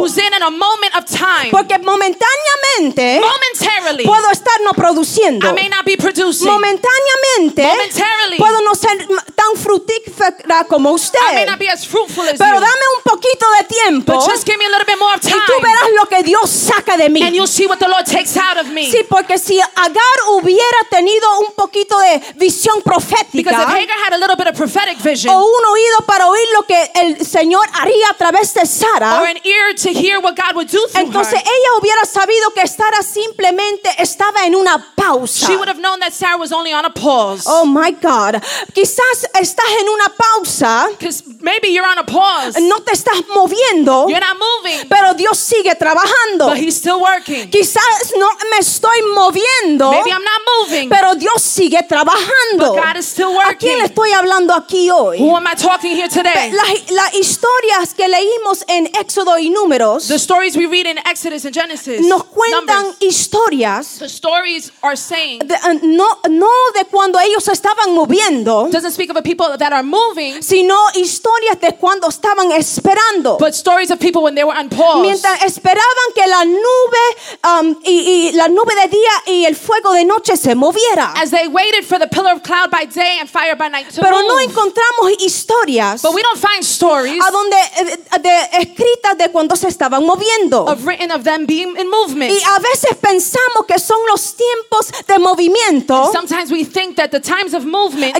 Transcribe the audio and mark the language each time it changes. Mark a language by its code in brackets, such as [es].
[en] who's in a moment of time, [es] porque momentáneamente, [en] momentarily, [es] puedo estar no produciendo, [en] I may not be producing, [es] momentáneamente, [en] momentarily, [es] puedo no ser tan fructífera como usted, [en] I may not be as fruitful as [es] pero [en] you, [es] dame un poquito de tiempo, [en] but just give me a little bit more of time, [es] y tú verás lo que Dios saca de mí. [en] See what the Lord takes out of me. [es] Sí, porque si Agar hubiera tenido un poquito de visión profética, [en] because if Hagar had a little bit of prophetic vision, [es] o un oído para oír lo que el Señor haría a través de Sara, [en] or an ear to hear what God would do through [es] entonces [en] her, [es] ella hubiera sabido que Sara simplemente estaba en una pausa. [en] She would have known that Sarah was only on a pause. Oh my God. [es] Quizás estás en una pausa. [en] Because maybe you're on a pause. [es] No te estás moviendo. [en] You're not moving. [es] Pero Dios sigue trabajando. [en] But he's still working. [es] Quizás no me estoy moviendo. [en] Maybe I'm not moving. [es] Pero Dios sigue trabajando. [en] But God is still working. [es] ¿A quién estoy hablando aquí hoy? [en] Who am I talking here today? [es] Las historias que leímos en Éxodo y Números. [en] The stories we read in Exodus and Genesis. [es] Nos cuentan Numbers. Historias. [en] The stories are saying. [es] No de cuando ellos estaban moviendo. [en] Doesn't speak of a people that are moving. [es] Sino historias de cuando estaban esperando. [en] But stories of people when they were on pause. [es] Mientras esperaban que la nube y la nube de día y el fuego de noche se moviera. [en] As they waited for the pillar of cloud by day and fire by night to [es] pero [en] move. [es] No encontramos historias. [en] But we don't find stories. [es] A donde de escritas de cuando se estaban moviendo. [en] Of written of them being in movement. [es] Y a veces pensamos que son los tiempos de movimiento. [en] And sometimes we think that the times of movement